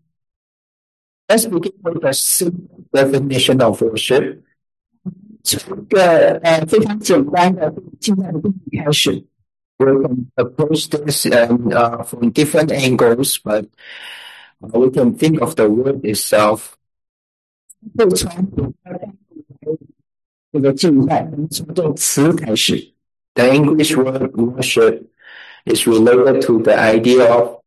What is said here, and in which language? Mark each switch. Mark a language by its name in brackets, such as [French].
[English] Let's begin with a simple definition of worship. [Chinese] 从一个非常简单的敬拜的定义开始。 [English] We can approach this from different angles, but we can think of the word itself. The English word worship is related to the idea of